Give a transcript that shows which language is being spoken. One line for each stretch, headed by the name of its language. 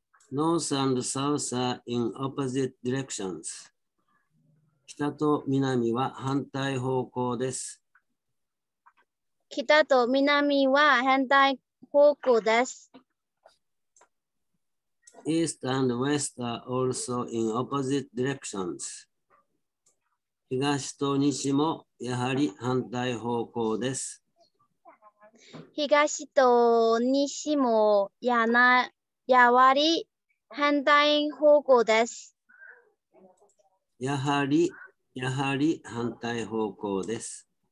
English: North and south are in opposite directions.
Japanese: 北と南は反対方向です。北と南は反対方向です。
English: East and west are also in opposite directions.
Japanese: 東と西もやはり反対方向です。東と西もやはり反対方向です。やはり反対方向です。